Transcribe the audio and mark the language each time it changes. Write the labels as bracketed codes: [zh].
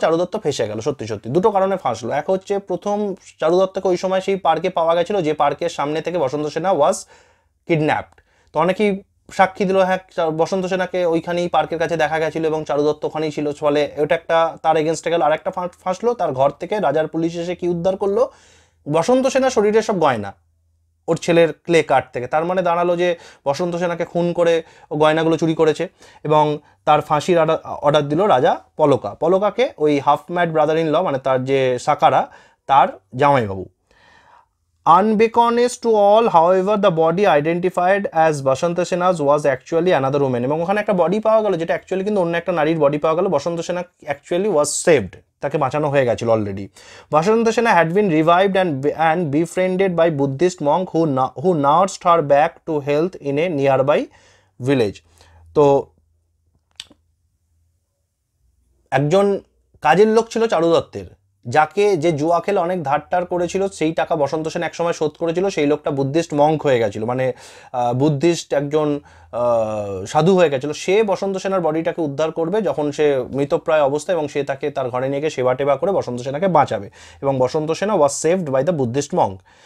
[bn] চারুদত্ত ফেঁসে গেল সত্যি সত্যি, দুটো কারণে ফাঁসলো। এক হচ্ছে প্রথম চারুদত্তকে ওই সময় সেই পার্কে পাওয়া গেছিলো যে পার্কের সামনে থেকে বসন্ত সেনা [en] was kidnapped, [bn] তো অনেকেই সাক্ষী দিল হ্যাঁ বসন্ত সেনাকে ওইখানেই পার্কের কাছে দেখা গেছিলো এবং চারুদত্ত ওখানেই ছিল, ফলে ওটা একটা তার এগেনস্টে গেল। আর একটা ফাঁসলো তার ঘর থেকে রাজার পুলিশ এসে কী উদ্ধার করলো, বসন্ত সেনা শরীরে সব গয়না ওর ছেলের ক্লে কার্ট থেকে, তার মানে দাঁড়ালো যে বসন্ত সেনাকে খুন করে ও গয়নাগুলো চুরি করেছে। এবং তার ফাঁসির অর্ডার দিল রাজা পলোকা, পলোকাকে ওই half mad brother in law মানে তার যে সাকারা তার জামাইবাবু। [en] Unbeknownst to all, however, the body identified as Basanta Sena's was actually another woman. [bn] এবং ওখানে একটা বডি পাওয়া গেলো যেটা অ্যাকচুয়ালি কিন্তু অন্য একটা নারীর বডি পাওয়া গেলো, বসন্ত সেনা [en] actually was saved, [bn] তাকে বাঁচানো হয়ে গেছিলো অলরেডি। [en] Basanta Sena had been revived and befriended by Buddhist monk who nursed her back to health in a nearby village. [bn] তো একজন কাজের লোক ছিল চারুদত্তের, যাকে যে জুয়া খেলে অনেক ধারটার করেছিল সেই টাকা বসন্ত সেন একসময় শোধ করেছিল, সেই লোকটা বুদ্ধিস্ট মঙ্ক হয়ে গেছিলো মানে বুদ্ধিস্ট একজন সাধু হয়ে গেছিলো, সে বসন্ত সেনার বডিটাকে উদ্ধার করবে যখন সে মৃতপ্রায় অবস্থায় এবং সে তাকে তার ঘরে নিয়ে গিয়ে সেবা টেবা করে বসন্ত সেনাকে বাঁচাবে। এবং বসন্ত সেনা [en] Was saved by the Buddhist monk.